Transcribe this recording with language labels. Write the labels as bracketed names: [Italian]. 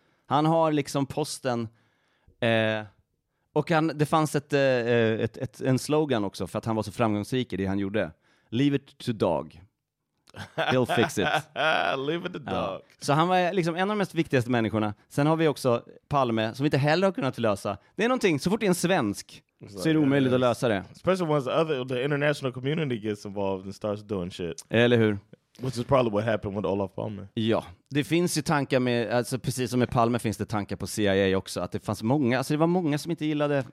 [Swedish] Han har liksom posten och han, det fanns en slogan också för att han var så framgångsrik i det han gjorde. [English] Leave it to Dog. He'll fix it. Leave it to Dog. [Swedish] Så han var liksom en av de mest viktigaste människorna. Sen har vi också Palme som vi inte heller har kunnat lösa. Det är någonting, så fort det är en svensk, så är det omöjligt att lösa det. [English] Especially once the international community gets involved and starts doing shit. [Swedish] Eller hur? [English] Which is probably what happened with Olof Palme. [Swedish] Ja, det finns ju tankar med, alltså precis som med Palme finns det tankar på CIA också. Att det fanns många, alltså det var många som inte gillade